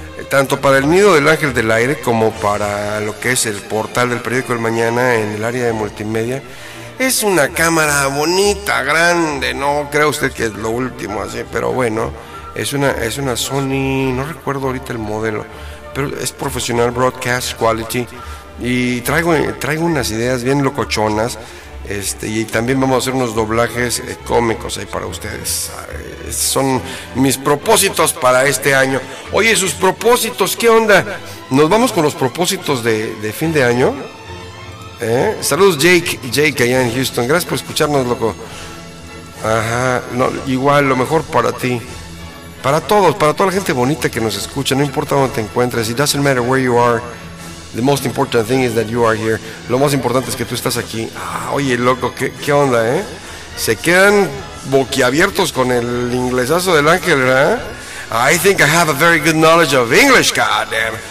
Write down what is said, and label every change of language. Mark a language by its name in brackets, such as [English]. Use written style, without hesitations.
[Spanish] Tanto para el Nido del Ángel del Aire como para lo que es el portal del periódico El Mañana en el área de multimedia. Es una cámara bonita, grande. No crea usted que es lo último así, pero bueno. Es una Sony, no recuerdo ahorita el modelo. Pero es Professional Broadcast Quality. Y traigo unas ideas bien locochonas, y también vamos a hacer unos doblajes cómicos ahí para ustedes. Son mis propósitos para este año. Oye, sus propósitos, ¿qué onda? ¿Nos vamos con los propósitos de fin de año? Saludos Jake allá en Houston, gracias por escucharnos, loco. Ajá, no, igual, lo mejor para ti. Para todos, para toda la gente bonita que nos escucha, no importa dónde te encuentres. [English] It doesn't matter where you are. The most important thing is that you are here. [Spanish] Lo más importante es que tú estás aquí. Ah, oye, loco, ¿qué onda, eh? Se quedan boquiabiertos con el inglesazo del ángel, ¿verdad? [English] I think I have a very good knowledge of English, goddamn.